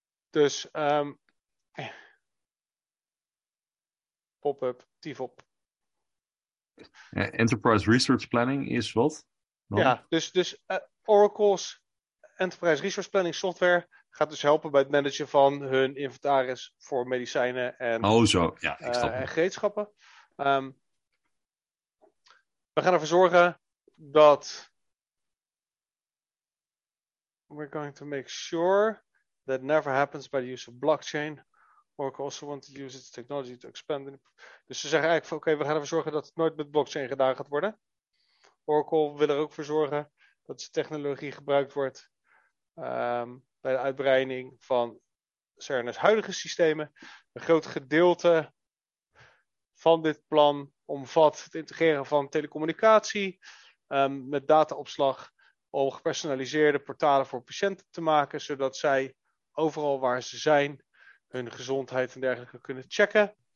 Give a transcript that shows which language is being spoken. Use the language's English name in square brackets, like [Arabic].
[Dutch] Dus, pop-up, TFOP. Enterprise Resource Planning is wat? Ja, dus Oracle's Enterprise Resource Planning software gaat dus helpen bij het managen van hun inventaris voor medicijnen en, en gereedschappen. We gaan ervoor zorgen dat [English] we're going to make sure that never happens by the use of blockchain. Oracle also wants to use its technology to expand. [Dutch] Dus ze zeggen eigenlijk van oké, we gaan ervoor zorgen dat het nooit met blockchain gedaan gaat worden. Oracle wil er ook voor zorgen dat zijn technologie gebruikt wordt bij de uitbreiding van CERN's huidige systemen. Een groot gedeelte van dit plan omvat het integreren van telecommunicatie met dataopslag om gepersonaliseerde portalen voor patiënten te maken, zodat zij overal waar ze zijn hun gezondheid en dergelijke kunnen checken.